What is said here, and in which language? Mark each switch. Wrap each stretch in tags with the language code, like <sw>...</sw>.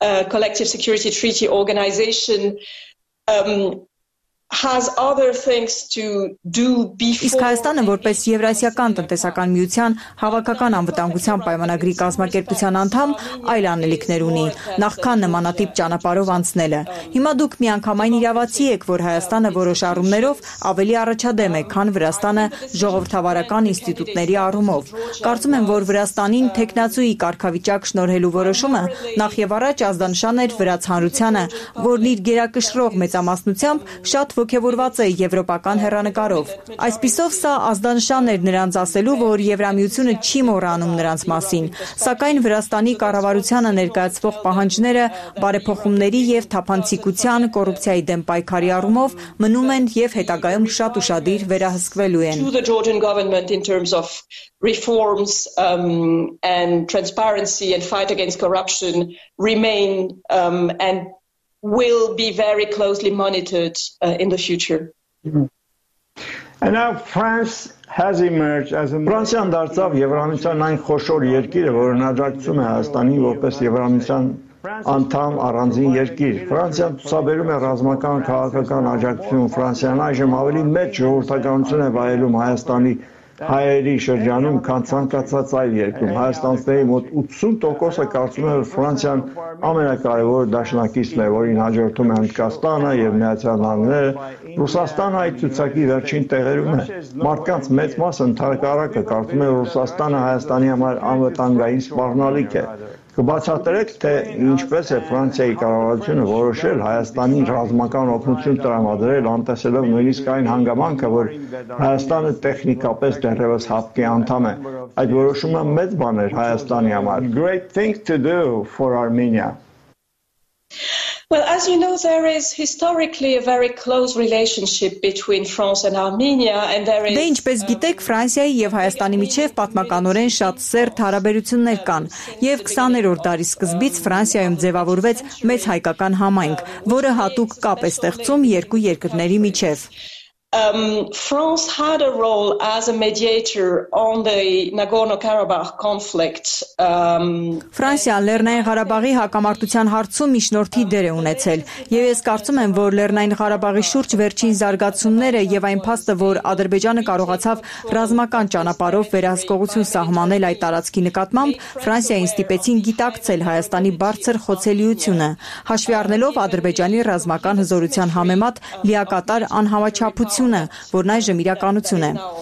<en>Collective Security Treaty Organization has other things to do before.</en> <hy>Իսկ Հայաստանը որպես Եվրասիական տնտեսական միության հավաքական անվտանգության պայմանագրի կազմակերպության անդամ այլ անելիքներ ունի, նախքան նմանատիպ ճանապարհով անցնելը։ Հիմա դուք միանգամայն իրավացի եք, որ Հայաստանը որոշ առումներով ավելի առաջադեմ է, քան Վրաստանը ժողովրդավարական ինստիտուտների առումով։ Կարծում եմ, որ Վրաստանին թեկնածուի կարգավիճակ շնորհելու որոշումը նախ եւ առաջ ազդանշան էր վրաց հանրությանը, որն իր գերակշռող մեծամասնությամբ շատ ոգևորված է եվրոպական հեռանկարով։ Այսպիսով սա ազդանշան էր նրանց ասելու, որ Եվրամիությունը չի մոռանում նրանց մասին, սակայն Վրաստանի կառավարությանը ներկայացվող պահանջները բարեփոխումների և թափանցիկության, կոռուպցիայի դեմ պայքարի առումով մնում են և հետագայում շատ ուշադիր վերահսկվելու են։</hy> <en>To the Georgian government in terms of reforms and transparency and fight against corruption remain and will be very closely monitored in the future. Mm-hmm. And now France has emerged as a</en> <hy>Ֆրանսիան դարձավ Եվրամիության այն խոշոր երկիրը, որը նաճակցում է Հայաստանի որպես Եվրամիության անդամ առանձին երկիր։ Ֆրանսիան ցուցաբերում է ռազմական քաղաքական աջակցություն, Ֆրանսիան այժմ ավելի մեծ ժողովրդականություն է վայելում Հայաստանի հայերի շրջանում, քան ցանկացած այլ երկրում։ Հայաստանցների մոտ 80%-ը կարծում է, որ Ֆրանսիան ամենակարևոր դաշնակիցն է, որին հաջորդում է Հնդկաստանը և Միացյալ Նահանգները։ Ռուսաստանը այդ ցուցակի վերջին տեղերում է։ Մարդկանց մեծ մասը ընդհակառակը կարծում է, որ Ռուսաստանը Հայաստանի համար անվտանգային սպառնալիք է։ Կբացատրեք, թե ինչպես է Ֆրանսիայի կառավարությունը որոշել Հայաստանի ռազմական օգնություն տրամադրել, անտեսելով նույնիսկ այն հանգամանքը, որ Հայաստանը տեխնիկապես դեռևս հապկի անդամ է։ Այդ որոշումը մեծ բան էր Հայաստանի համար.</hy> <en>Great thing to do for Armenia. Well, as you know, there is historically a very close relationship between France and Armenia, and there is.</en> <hy>Դե ինչպես գիտեք, Ֆրանսիայի և Հայաստանի միջև պատմականորեն շատ սերտ հարաբերություններ կան, և 20-րդ դարի սկզբից Ֆրանսիայում ձևավորվեց մեծ հայկական համայնք, որը հատուկ կապ է ստեղծում երկու երկրների միջև։</hy> <en>France had a role as a mediator on the Nagorno-Karabakh conflict.</en> <hy>Ֆրանսիան Լեռնային Ղարաբաղի հակամարտության հարցում միջնորդի դեր է ունեցել, եւ ես կարծում եմ, որ Լեռնային Ղարաբաղի շուրջ վերջին զարգացումները եւ այն փաստը, որ Ադրբեջանը կարողացավ ռազմական ճանապարհով վերահսկողություն սահմանել այդ տարածքի նկատմամբ, Ֆրանսիային ստիպեցին դիտակցել Հայաստանի բարձր խոցելիությունը, հաշվի առնելով Ադրբեջանի ռազմական հզորության համեմատ լիակատար անհավաճապ ությունը, որն այժմ իրականություն է։</hy>